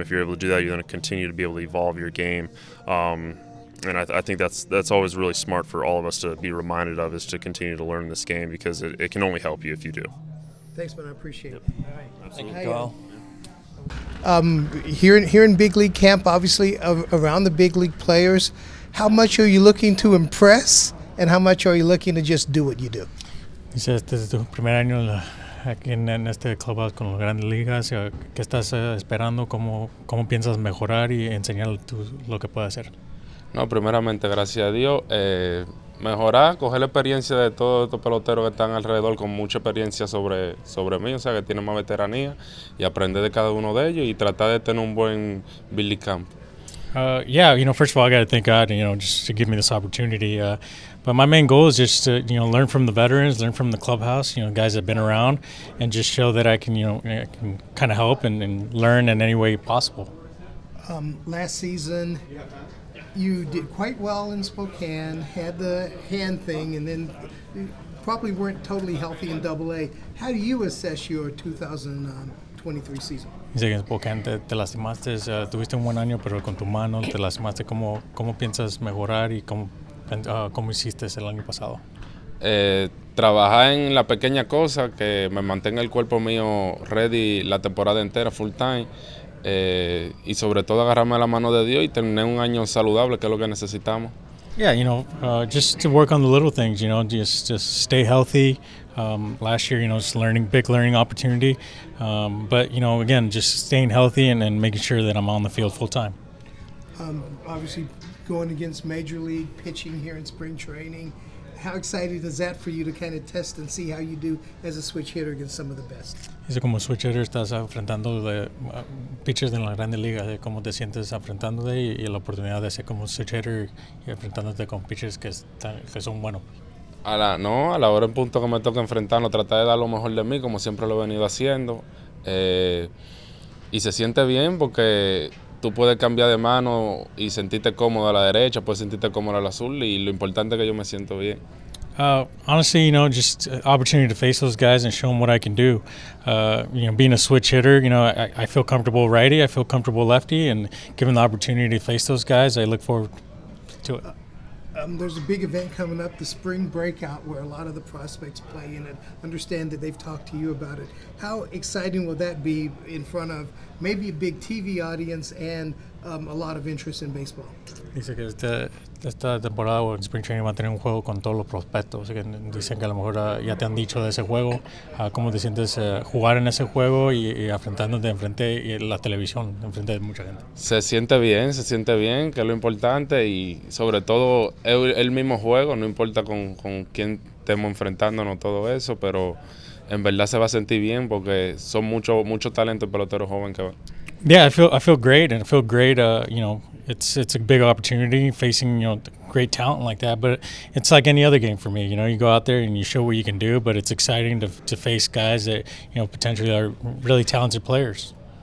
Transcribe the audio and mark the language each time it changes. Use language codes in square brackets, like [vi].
[en] If you're able to do that, you're going to continue to be able to evolve your game. I think that's always really smart for all of us to be reminded of, is to continue to learn this game, because it can only help you if you do. Thanks, man. I appreciate it. All right. Thank you, Kyle. Here in big league camp, obviously around the big league players, how much are you looking to impress, and how much are you looking to just do what you do? [es] Dice, este es tu primer año aquí en este club con las grandes ligas. ¿Qué estás esperando? ¿Cómo piensas mejorar y enseñar tú lo que puedes hacer? No, primeramente, gracias a Dios, mejorar, coger la experiencia de todos estos peloteros que están alrededor con mucha experiencia sobre mí, o sea, que tienen más veteranía, y aprender de cada uno de ellos y tratar de tener un buen big league camp. [en] First of all, I got to thank God, you know, just to give me this opportunity. But my main goal is just to, you know, learn from the veterans, learn from the clubhouse, you know, guys that have been around, and just show that I can, you know, I can kind of help and learn in any way possible. Last season, you did quite well in Spokane, had the hand thing, and then probably weren't totally healthy in AA. How do you assess your 2023 season? [es] Dice que en Spokane te lastimaste, tuviste un buen año, pero con tu mano te lastimaste. ¿Cómo piensas mejorar y cómo hiciste el año pasado? Trabajar en la pequeña cosa que me mantenga el cuerpo mío ready la temporada entera, [en] full time. [es] Y sobre todo agarrarme la mano de Dios y tener un año saludable, que es lo que necesitamos. [en] Yeah, you know, just to work on the little things, you know, just stay healthy. Last year, you know, just learning, big learning opportunity. But, you know, again, just staying healthy and making sure that I'm on the field full time. Obviously, going against Major League, pitching here in spring training, how excited is that for you to kind of test and see how you do as a switch hitter against some of the best? [es] Dice, como switch hitter estás enfrentando pitchers de la grande liga, de cómo te sientes enfrentándote y la oportunidad de ser como switch hitter y enfrentándote con pitchers que son buenos. A la hora en punto que me toca enfrentarlo, tratar de dar lo mejor de mí, como siempre lo he venido haciendo. Y se siente bien porque tú puedes cambiar de mano y sentirte cómodo a la derecha, puedes sentirte cómodo al azul, y lo importante es que yo me siento bien. [en] Honestly, you know, just opportunity to face those guys and show them what I can do. You know, being a switch hitter, you know, I feel comfortable righty, I feel comfortable lefty, and given the opportunity to face those guys, I look forward to it. There's a big event coming up, the spring breakout, where a lot of the prospects play in it. Understand that they've talked to you about it. How exciting will that be in front of maybe a big TV audience and a lot of interest in baseball? [es] Dice que esta temporada o en spring training va a tener un juego con todos los prospectos. Dicen que a lo mejor ya te han dicho de ese juego. ¿Cómo te sientes jugar en ese juego y enfrentándote enfrente la televisión, enfrente de mucha gente? Se siente bien, que es lo importante. Y sobre todo el mismo juego, no importa con quién estemos enfrentándonos, todo eso. Pero en verdad se va a sentir bien porque son mucho talento pelotero joven que va. [en] Yeah, I feel great, and I feel great. You know, it's a big opportunity facing, you know, great talent like that. But it's like any other game for me. You know, you go out there and you show what you can do. But it's exciting to face guys that, you know, potentially are really talented players.